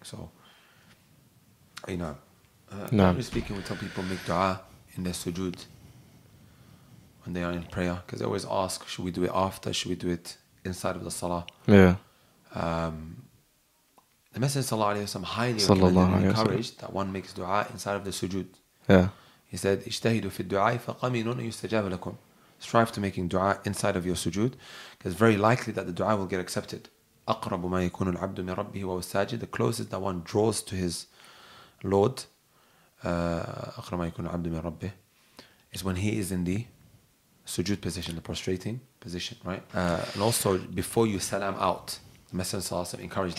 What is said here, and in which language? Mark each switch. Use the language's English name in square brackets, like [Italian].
[English] So, you know, generally speaking, we tell people make dua in their sujood when they are in prayer, because they always ask, should we do it after? Should we do it inside of the salah? Yeah. The Messenger sallallahu alayhi wa sallam highly recommended and encouraged that one makes dua inside of the sujood. Yeah. [Arabic] He said, اجتهدوا في الدعاء فقمنون يستجاب لكم. [English] Strive to making dua inside of your sujood, because it's very likely that the dua will get accepted. [Arabic] أقرب ما يكون العبد من ربه وهو الساجد. [English] The closest that one draws to his Lord, [Arabic] أقرب ما يكون العبد من ربه, [English] is when he is in the sujood position, the prostrating position, right? And also before you salam out, the Messenger sallallahu alayhi wa sallam encouraged